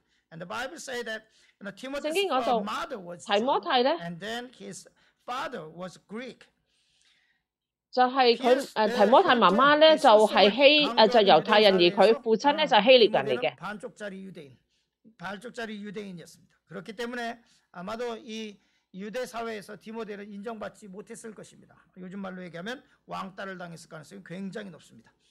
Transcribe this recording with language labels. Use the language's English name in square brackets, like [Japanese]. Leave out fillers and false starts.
[English] And the Bible says that Timothy's mother was Greek, and then his father was Greek. [Cantonese] 就係佢提摩太媽媽咧，就係猶太人，而佢父親咧就希臘人嚟嘅。 [Korean] 반쪽짜리 유대인, 반쪽짜리 유대인이었습니다. 그렇기 때문에 아마도 이 유대 사회에서 디모데는 인정받지 못했을 것입니다. 요즘 말로 얘기하면 왕따를 당했을 가능성이 굉장히 높습니다.